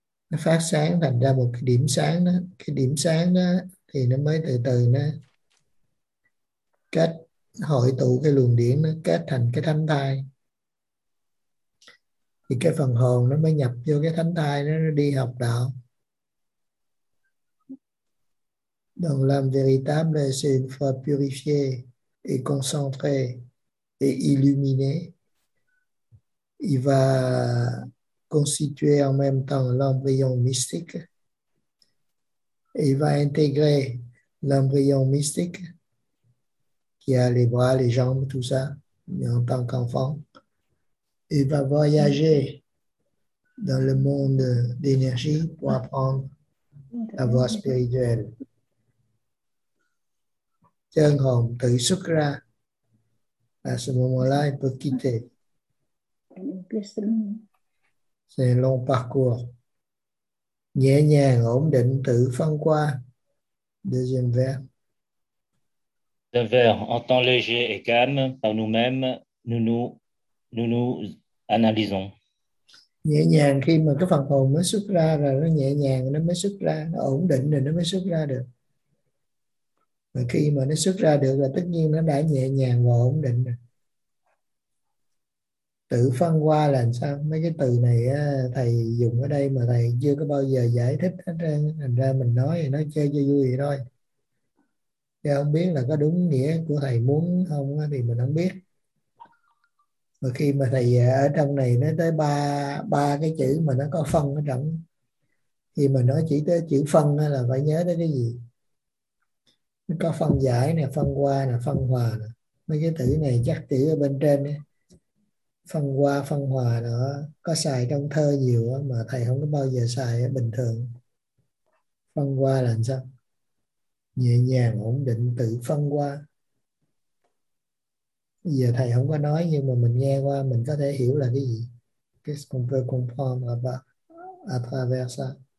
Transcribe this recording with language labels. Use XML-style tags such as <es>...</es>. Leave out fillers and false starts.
<vi>Nó phát sáng thành ra một cái điểm sáng đó. Cái điểm sáng đó thì nó mới từ từ nó kết hội tụ cái luồng điển, nó kết thành cái thánh thai. Thì cái phần hồn nó mới nhập vô cái thánh thai, nó đi học đạo.</vi> <fr>Donc l'âme véritable, c'est une fois purifiée et concentrée et illuminée, il va constituer en même temps l'embryon mystique. Il va intégrer l'embryon mystique qui a les bras, les jambes, tout ça, mais en tant qu'enfant. Il va voyager dans le monde d'énergie pour apprendre la voie spirituelle.</fr> <vi>Chân hồn tự xuất ra.</vi> <fr>À ce moment-là, il peut quitter. C'est un long parcours.</fr> <vi>Nhẹ nhàng, ổn định, tự phân qua.</vi> <fr>Deuxième vers. Deuxième vers. En temps léger et calme, par nous-mêmes, nous analysons.</fr> <vi>Nhẹ nhàng, khi mà cái phần hồn mới xuất ra rồi, nó nhẹ nhàng nó mới xuất ra, nó ổn định rồi nó mới xuất ra được. Và khi mà nó xuất ra được là tất nhiên nó đã nhẹ nhàng và ổn định rồi. Tự phân qua là sao? Mấy cái từ này á, thầy dùng ở đây mà thầy chưa có bao giờ giải thích hết trơn. Thành ra mình nói thì nó chơi cho vui vậy thôi. Thì không biết là có đúng nghĩa của thầy muốn không thì mình không biết. Mà khi mà thầy ở trong này nó tới ba cái chữ mà nó có phân ở trong, thì mà nói chỉ tới chữ phân là phải nhớ tới cái gì? Nó có phân giải nè, phân qua nè, phân hòa nè. Mấy cái chữ này chắc chữ ở bên trên ấy. Phân qua, phân hòa nữa, có xài trong thơ nhiều đó, mà thầy không có bao giờ xài bình thường. Phân qua là sao? Nhẹ nhàng, ổn định, tự phân qua. Bây giờ thầy không có nói nhưng mà mình nghe qua mình có thể hiểu là cái gì.</vi> <fr>Qu'est-ce qu'on peut comprendre à travers ça?</fr>